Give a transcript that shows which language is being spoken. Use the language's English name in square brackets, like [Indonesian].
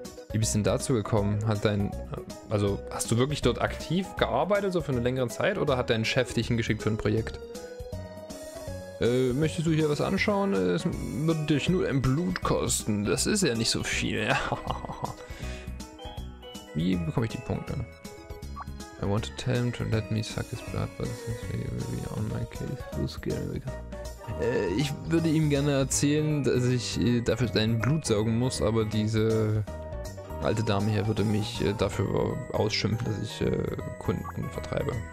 [German] Wie bist du denn dazu gekommen? Hast du wirklich dort aktiv gearbeitet, so für eine längere Zeit, oder hat dein Chef dich hingeschickt für ein Projekt? Möchtest du hier was anschauen? Es würde dich nur ein Blut kosten. Das ist ja nicht so viel. Wie bekomme ich die Punkte? [English] I want to tell him to let me suck his blood, but this is on my case. So scary. [German] Ich würde ihm gerne erzählen, dass ich dafür dein Blut saugen muss, aber diese alte Dame hier würde mich dafür ausschimpfen, dass ich Kunden vertreibe.